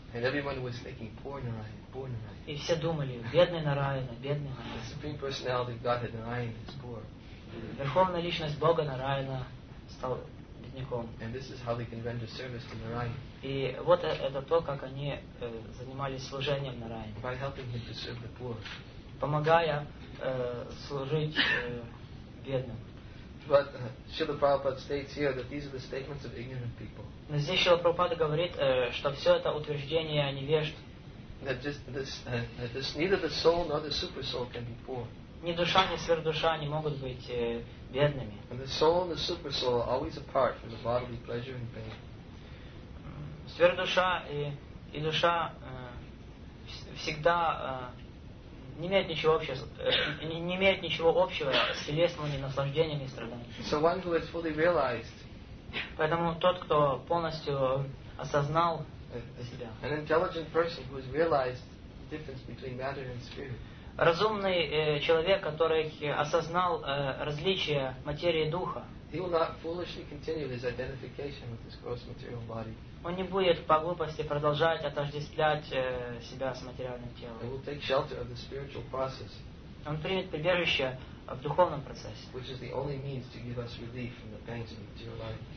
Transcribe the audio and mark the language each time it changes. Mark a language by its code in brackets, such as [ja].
[en] And everyone was thinking, poor Narayana, poor Narayana. [ru] И все думали, бедный Нараяна, бедный Нараяна. [en] The Supreme Personality of Godhead, Narayana, is poor. [ru] Верховная личность Бога Нараяна стал бедняком. [en] And this is how they can render service to Narayana. [ru] И вот это то, как они занимались служением Нараяне. [en] By helping him to serve the poor. [ru] Помогая служить бедным. [en] But Srila Prabhupada states here that these are the statements of ignorant people. [ru] Но здесь Шрила Прабхупада говорит, что все это утверждение невежд. [en] That just this, this neither the soul nor the super soul can be poor. [ru] Ни душа, ни сверхдуша не могут быть бедными. [en] And the soul and the super soul are always apart from the bodily pleasure and pain. [ru] Сверхдуша и душа всегда не имеют ничего общего с телесными наслаждениями и страданиями. [en] So one who has fully realized, [ru] поэтому тот, кто полностью осознал себя, [en] an intelligent person who has realized the difference between matter and spirit, [ru] разумный человек, который осознал различия материи и духа, [en] he will not foolishly continue his identification with this gross material body. [ru] Он не будет по глупости продолжать отождествлять себя с материальным телом. [en] He will take shelter of the spiritual process. [ru] Он примет прибежище в духовном процессе, [en] which is the only means to give us relief from the pains of material life.